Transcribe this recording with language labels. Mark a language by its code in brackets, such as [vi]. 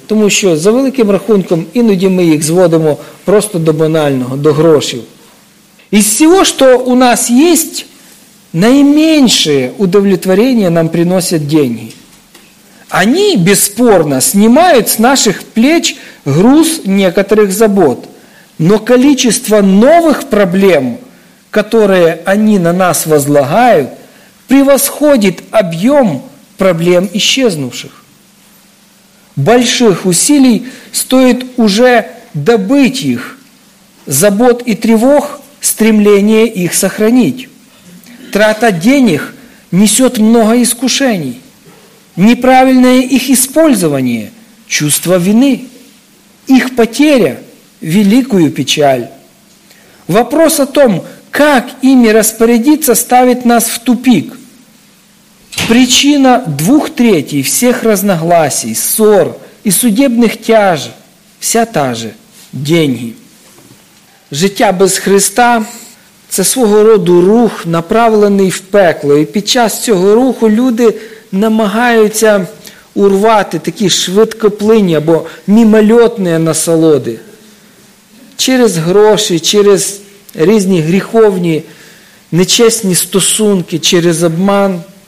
[uk] Тому що, за великим рахунком, іноді ми їх зводимо просто до банального, до грошів. Із всього, що у нас є, найменше удовлетворення нам приносять деньги. Вони, безспорно, знімають з наших плеч [ru] груз некоторих забот. Но количество новых проблем, которые они на нас возлагают, превосходит объем проблем исчезнувших. Больших усилий стоит уже добыть их, забот и тревог, стремление их сохранить. Трата денег несет много искушений. Неправильное их использование, чувство вины, их потеря, великую печаль. Вопрос о том, как ими распорядиться, ставит нас в тупик. Причина 2/3 всех разногласий, ссор и судебных тяж вся та же – деньги. [uk] Життя без Христа – це свого роду рух, направлений в пекло. І під час цього руху люди намагаються урвати такі швидкоплинні або мимольотні насолоди. Через гроші, через різні гріховні, нечесні стосунки, через обман.